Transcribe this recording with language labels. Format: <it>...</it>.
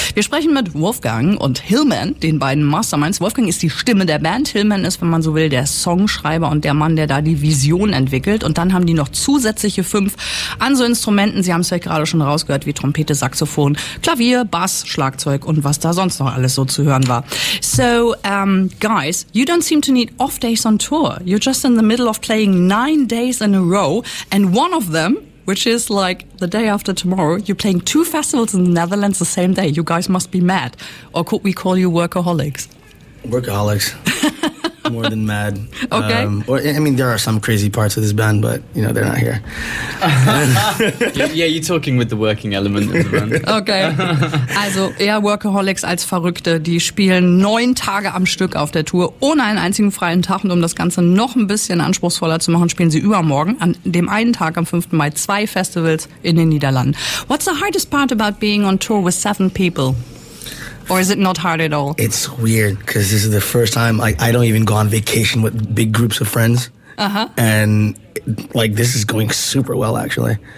<de>Wir sprechen mit Wolfgang und Hillmann, den beiden Masterminds. Wolfgang ist die Stimme der Band. Hillmann ist, wenn man so will, der Songschreiber und der Mann, der da die Vision entwickelt. Und dann haben die noch zusätzliche 5 an so Instrumenten. Sie haben es vielleicht gerade schon rausgehört, wie Trompete, Saxophon, Klavier, Bass, Schlagzeug und was da sonst noch alles so zu hören war.</de> <en>So, guys, you don't seem to need off days on tour. You're just in the middle of playing 9 days in a row, and one of them, which is like the day after tomorrow, you're playing 2 festivals in the Netherlands the same day. You guys must be mad. Or could we call you workaholics? Workaholics. More than mad. Okay. There are some crazy parts of this band, but, you know, they're not here. Yeah, you're talking with the working element of the band.</en> <de>Okay. Also eher Workaholics als Verrückte. Die spielen 9 Tage am Stück auf der Tour, ohne einen einzigen freien Tag. Und um das Ganze noch ein bisschen anspruchsvoller zu machen, spielen sie übermorgen, an dem einen Tag am 5. Mai, 2 Festivals in den Niederlanden.</de> <en>What's the hardest part about being on tour with 7 people? Or is it not hard at all? It's weird because this is the first time I don't even go on vacation with big groups of friends. Uh-huh. And like this is going super well, actually.</en>